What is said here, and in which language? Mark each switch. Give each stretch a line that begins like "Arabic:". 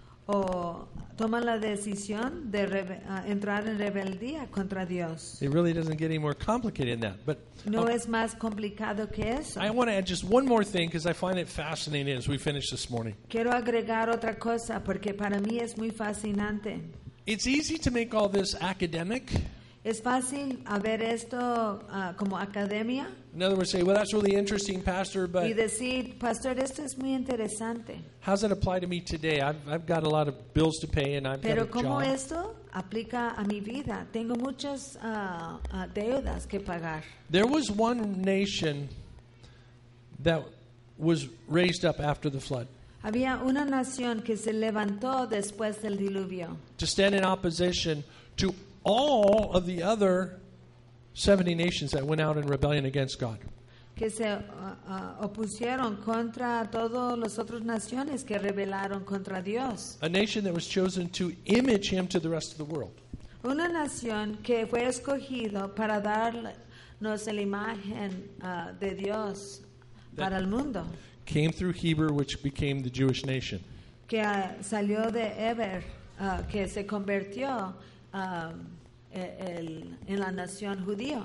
Spanish: O toma la decisión de entrar en rebeldía contra Dios.
English: It really doesn't get any more complicated than that. But
Spanish: no es más complicado que eso.
English: I want to add just one more thing because I find it fascinating as we finish this morning.
Spanish: Quiero agregar otra cosa porque para mí es muy fascinante.
English: It's easy to make all this academic.
Spanish: Es fácil ver esto como academia.
English: In other words, say, well, that's really interesting, Pastor, but
Spanish: y decir, Pastor, esto es muy interesante.
English: How's that apply to me today? I've got a lot of bills to pay and I've
Spanish: pero
English: got a job.
Spanish: Pero ¿cómo esto aplica a mi vida? Tengo muchas deudas que pagar.
English: There was one nation that was raised up after the flood.
Spanish: Había una nación que se levantó después del diluvio.
English: To stand in opposition to all of the other 70 nations that went out in rebellion against God.
Spanish: Que se opusieron contra todas las otras naciones que rebelaron contra Dios.
English: A nation that was chosen to image him to the rest of the world.
Spanish: Una nación que fue escogido para darnos la imagen de Dios para el mundo.
English: Came through Heber, which became the Jewish nation.
Spanish: Que salió de Heber, que se convirtió en la nación judía.